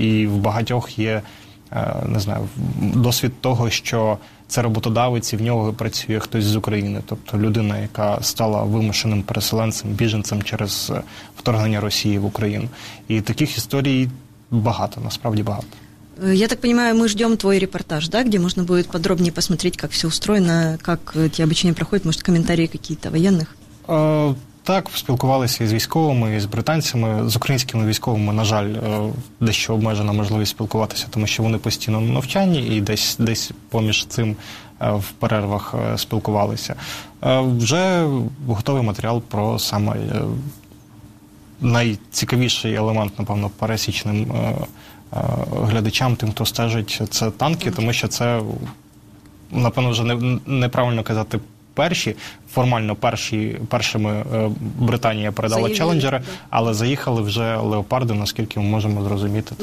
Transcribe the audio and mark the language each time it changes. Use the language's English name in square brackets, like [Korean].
[Ukrainian] І в багатьох є, не знаю, досвід того, що це роботодавець, і в нього працює хтось з України. Тобто людина, яка стала вимушеним переселенцем, біженцем через вторгнення Росії в Україну. І таких історій багато, насправді багато. [Russian] Я так понимаю, мы ждем твой репортаж, да, где можно будет подробнее посмотреть, как все устроено, как эти обучения проходят, может, комментарии какие-то военных? [Ukrainian] Так, спілкувалися із військовими, із британцями, з українськими військовими, на жаль, дещо обмежена можливість спілкуватися, тому що вони постійно на навчанні і десь поміж цим в перервах спілкувалися. Вже готовий матеріал про саме найцікавіший елемент, напевно, пересічним глядачам, тим, хто стежить, це танки, тому що це, напевно, вже неправильно казати перші, формально першими Британія передала челенджери, але заїхали вже леопарди, наскільки ми можемо зрозуміти.